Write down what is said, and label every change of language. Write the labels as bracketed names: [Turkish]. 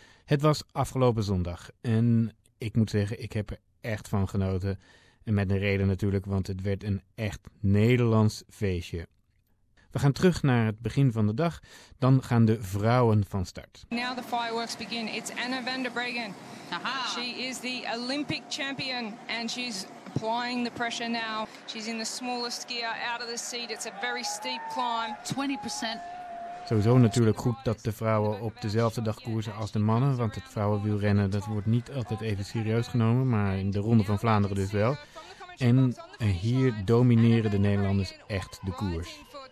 [Dutch] Het was afgelopen zondag en ik moet zeggen, ik heb er echt van genoten. En met een reden natuurlijk, want het werd een echt Nederlands feestje. We gaan terug naar het begin van de dag. Dan gaan de vrouwen van start. [English] Now the fireworks begin. It's Anna van der Breggen. Aha. She is the Olympic champion and she's applying the pressure now. She's in the smallest gear out of the seat. It's a very steep climb. 20%. [Dutch] Sowieso natuurlijk goed dat de vrouwen op dezelfde dag koersen als de mannen, want het vrouwenwielrennen dat wordt niet altijd even serieus genomen, maar in de Ronde van Vlaanderen dus wel. En hier domineren de Nederlanders echt de koers.